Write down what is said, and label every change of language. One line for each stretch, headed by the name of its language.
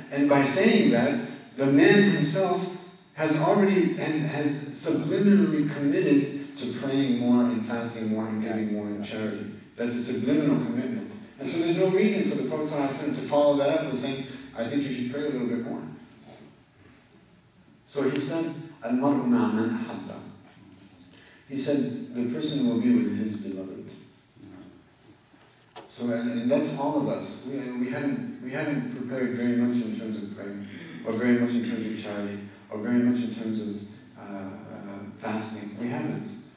English: And by saying that, the man himself has subliminally committed to praying more and fasting more and giving more in charity. That's a subliminal commitment. And so there's no reason for the Prophet to follow that up with saying, I think you should pray a little bit more.
Arabic: So he said, المرء مع من أحب.
English: He said, the person will be with his beloved. So, and that's all of us. We haven't prepared very much in terms of prayer, or very much in terms of charity, or very much in terms of fasting. We haven't.